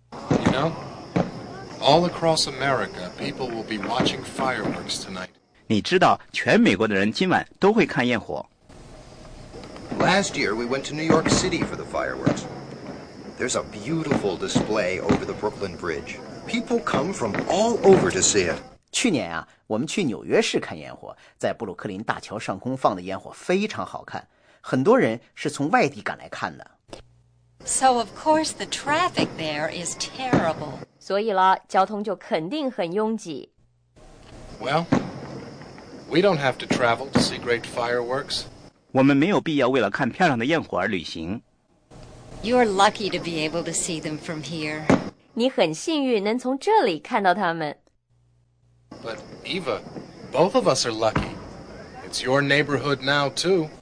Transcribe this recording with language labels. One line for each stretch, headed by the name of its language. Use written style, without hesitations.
English: You know,All across America, people will be watching fireworks tonight.
Chinese: 你知道，全美国的人今晚都会看焰火。
English: Last year, we went to New York City for the fireworks. There's a beautiful display over the Brooklyn Bridge. People come from all over to see it.
Chinese: 去年啊，我们去纽约市看焰火，在布鲁克林大桥上空放的烟火非常好看，很多人是从外地赶来看的。
English: So of course the traffic there is terrible.
Chinese: 所以啦，交通就肯定很拥挤。
English: Well, we don't have to travel to see great fireworks.
Chinese: 我们没有必要为了看漂亮的焰火而旅行。
English: You're lucky to be able to see them from here.
Chinese: 你很幸运能从这里看到它们。
English: But Eva, both of us are lucky. It's your neighborhood now too.